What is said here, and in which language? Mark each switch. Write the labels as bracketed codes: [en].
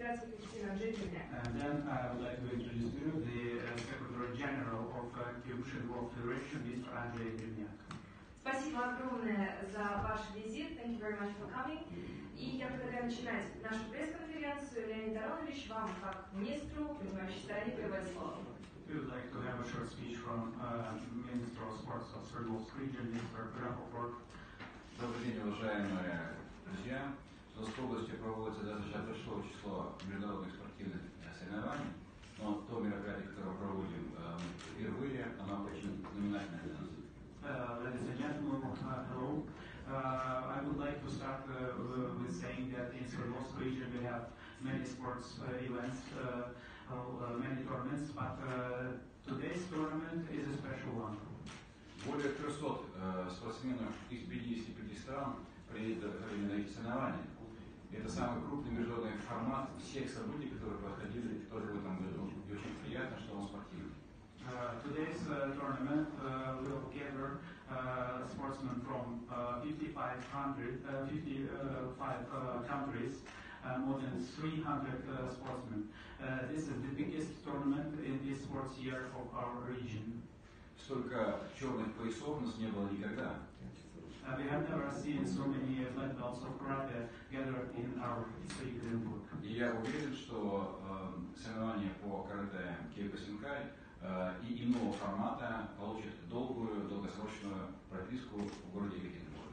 [en] And then I would like to introduce to you the Secretary General of Kyokushin World Federation, Mr. Andrei Dudniak. [ru] Спасибо огромное за ваш визит. [en] Thank you very much for coming. [ru] И я предлагаю начинать нашу пресс-конференцию. Леонид Аронович, вам как министру, принимающий стороне, приводить слово. [en] We would like to have a short speech from Minister of Sports of Свердловск region, Mr. Grahoford. [ru] Добрый день, уважаемые друзья. В Свердловской области проводится достаточно большое число международных спортивных соревнований. Но то мероприятие, которое проводим впервые, оно очень знаменательное для нас. [en] Ladies and gentlemen, hello. I would like to start with saying that in Svrdlovsk region we have many sports events, many tournaments, but today's tournament is a special one. [ru] Более 300 спортсменов из 55 стран приедут на эти соревнования. Это самый крупный международный формат всех событий, которые проходили тоже в этом году. И очень приятно, что он спортивный. [en] Today's tournament will gather sportsmen from 55 countries, more than 300 sportsmen. This is the biggest tournament in this sports year of our region. [ru] Столько черных поясов у нас не было никогда. [en] We have never seen so many black belts of karate gathered in our Екатеринбург. [ru] И я уверен, что соревнования по карате Кёкусинкай и иного формата получит долгосрочную прописку в городе Екатеринбург.